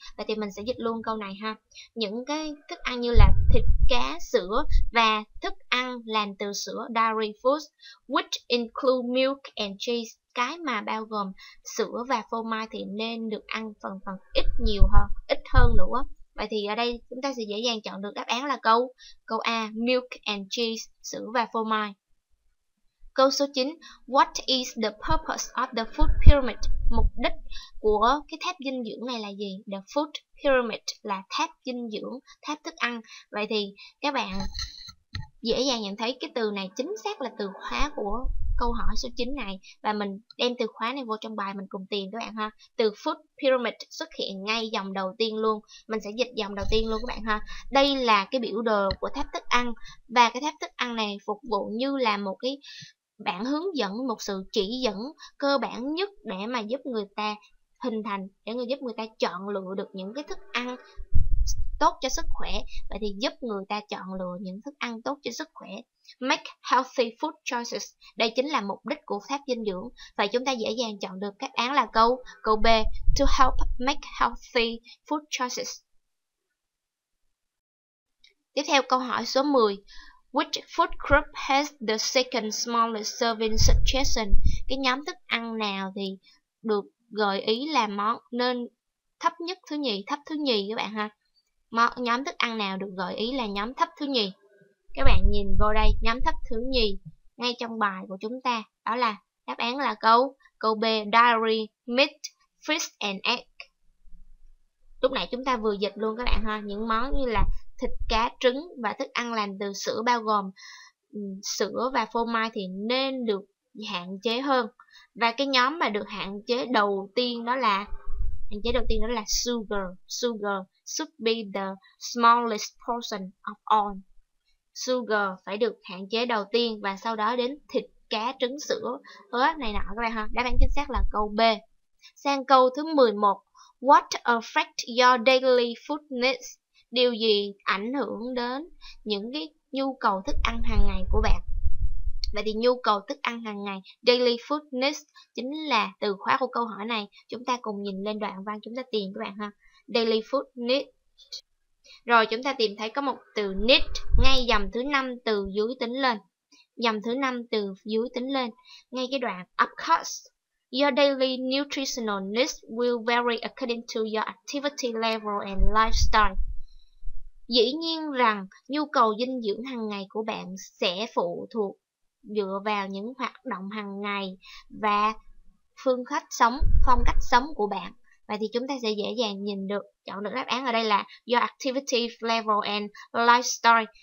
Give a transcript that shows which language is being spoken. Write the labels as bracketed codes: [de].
[vi] Vậy thì mình sẽ dịch luôn câu này ha. Những cái thức ăn như là thịt, cá, sữa và thức ăn làm từ sữa, [en] dairy food, which include milk and cheese, [vi] cái mà bao gồm sữa và phô mai thì nên được ăn phần ít nhiều hơn, ít hơn nữa. Vậy thì ở đây chúng ta sẽ dễ dàng chọn được đáp án là câu A, [en] milk and cheese, [vi] sữa và phô mai. Câu số 9, [en] what is the purpose of the food pyramid? [vi] Mục đích của cái tháp dinh dưỡng này là gì? [en] The food pyramid [vi] là tháp dinh dưỡng, tháp thức ăn. Vậy thì các bạn dễ dàng nhận thấy cái từ này chính xác là từ khóa của câu hỏi số 9 này. Và mình đem từ khóa này vô trong bài, mình cùng tìm các bạn ha. Từ food pyramid xuất hiện ngay dòng đầu tiên luôn. Mình sẽ dịch dòng đầu tiên luôn các bạn ha. Đây là cái biểu đồ của tháp thức ăn. Và cái tháp thức ăn này phục vụ như là một cái bản hướng dẫn, một sự chỉ dẫn cơ bản nhất để mà giúp người ta hình thành, để giúp người ta chọn lựa được những cái thức ăn tốt cho sức khỏe. Vậy thì giúp người ta chọn lựa những thức ăn tốt cho sức khỏe. [en] Make healthy food choices. [vi] Đây chính là mục đích của tháp dinh dưỡng. Và chúng ta dễ dàng chọn được đáp án là câu B, [en] to help make healthy food choices. [vi] Tiếp theo câu hỏi số 10. [en] Which food group has the second smallest serving suggestion? [vi] Cái nhóm thức ăn nào thì được gợi ý là món nên thấp nhất thứ nhì, thấp thứ nhì các bạn ha. Nhóm thức ăn nào được gợi ý là nhóm thấp thứ nhì? Các bạn nhìn vô đây, nhóm thấp thứ nhì ngay trong bài của chúng ta. Đó là đáp án là câu B, [en] dairy, meat, fish and egg. [vi] Lúc nãy chúng ta vừa dịch luôn các bạn ha, những món như là thịt, cá, trứng và thức ăn làm từ sữa bao gồm sữa và phô mai thì nên được hạn chế hơn. Và cái nhóm mà được hạn chế đầu tiên đó là sugar. [en] Sugar should be the smallest portion of all. [vi] Sugar phải được hạn chế đầu tiên và sau đó đến thịt, cá, trứng, sữa, hết này nọ các bạn ha. Đáp án chính xác là câu B. Sang câu thứ 11. [en] What affects your daily food needs? [vi] điều gì ảnh hưởng đến những cái nhu cầu thức ăn hàng ngày của bạn. Vậy thì nhu cầu thức ăn hàng ngày, [en] daily food needs, [vi] chính là từ khóa của câu hỏi này. Chúng ta cùng nhìn lên đoạn văn chúng ta tìm các bạn ha. [en] Daily food needs. [vi] Rồi chúng ta tìm thấy có một từ need ngay dòng thứ 5 từ dưới tính lên. Dòng thứ 5 từ dưới tính lên. Ngay cái đoạn [en] of course, your daily nutritional needs will vary according to your activity level and lifestyle. [vi] Dĩ nhiên rằng nhu cầu dinh dưỡng hàng ngày của bạn sẽ phụ thuộc dựa vào những hoạt động hàng ngày và phương cách sống, phong cách sống của bạn. Vậy thì chúng ta sẽ dễ dàng nhìn được, chọn được đáp án ở đây là [en] your activity level and lifestyle.